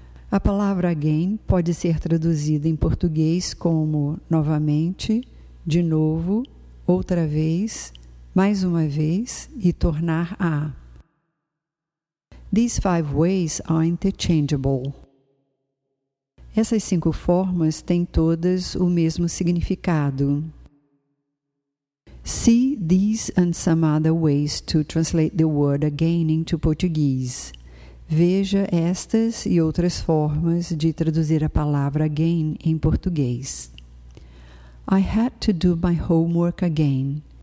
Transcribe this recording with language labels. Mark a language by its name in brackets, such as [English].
[Portuguese] A palavra again pode ser traduzida em português como novamente, de novo, outra vez, mais uma vez e tornar a. [English] These five ways are interchangeable. [Portuguese] Essas cinco formas têm todas o mesmo significado. [English] See these and some other ways to translate the word again into Portuguese. [Portuguese] Veja estas e outras formas de traduzir a palavra again em português. [English] I had to do my homework again.